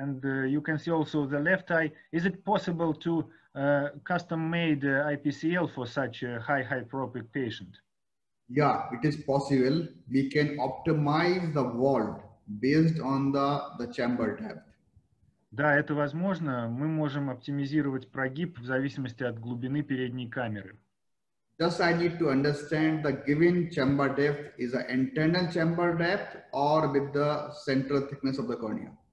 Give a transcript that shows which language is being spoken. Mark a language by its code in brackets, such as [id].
[en] And you can see also the left eye. Is it possible to custom-made IPCL for such a high hyperopic patient? Yeah, it is possible. We can optimize the vault based on the chamber depth. [ru] Да, это возможно. Мы можем оптимизировать прогиб в зависимости от глубины передней камеры. [en] Just I need to understand the given chamber depth is an internal chamber depth or with the central thickness of the cornea.